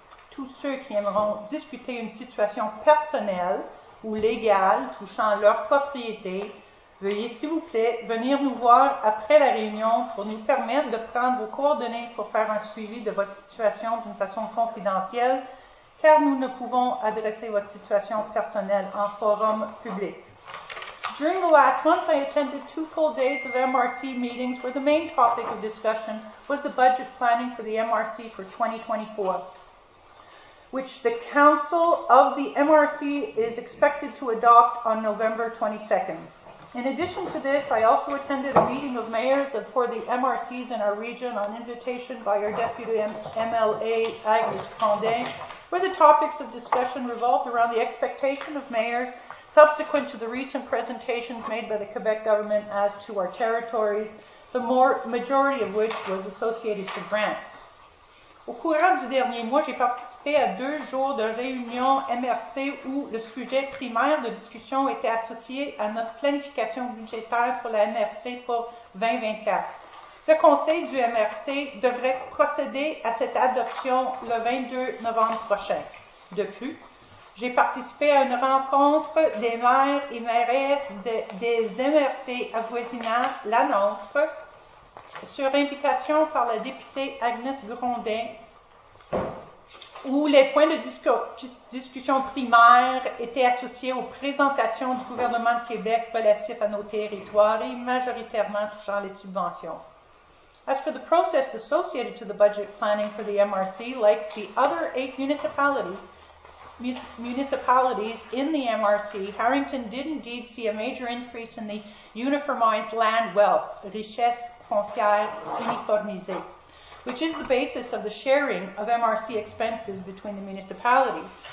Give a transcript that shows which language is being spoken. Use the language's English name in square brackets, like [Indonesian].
[French] Tous ceux qui aimeront discuter une situation personnelle ou légale touchant leur propriété, veuillez s'il vous plaît venir nous voir après la réunion pour nous permettre de prendre vos coordonnées pour faire un suivi de votre situation d'une façon confidentielle, car nous ne pouvons adresser votre situation personnelle en forum public. [English] During the last month, I attended two full days of MRC meetings where the main topic of discussion was the budget planning for the MRC for 2024, which the Council of the MRC is expected to adopt on November 22nd. In addition to this, I also attended a meeting of mayors for the MRCs in our region on invitation by our Deputy MLA, Agnes Condé, where the topics of discussion revolved around the expectation of mayors subsequent to the recent presentations made by the Quebec government as to our territories, the majority of which was associated to grants. [French] Au courant du dernier mois, j'ai participé à deux jours de réunion MRC où le sujet primaire de discussion était associé à notre planification budgétaire pour la MRC pour 2024. Le conseil du MRC devrait procéder à cette adoption le 22 novembre prochain. De plus, j'ai participé à une rencontre des maires et mairesses des MRC avoisinant la nôtre sur invitation par la députée Agnès Grondin, où les points de discussion primaires étaient associés aux présentations du gouvernement de Québec relatifs à nos territoires et majoritairement touchant les subventions. [English] As for the process associated to the budget planning for the MRC, like the other eight municipalities in the MRC, Harrington did indeed see a major increase in the uniformized land wealth, [French] richesse foncière uniformisée, [English] which is the basis of the sharing of MRC expenses between the municipalities.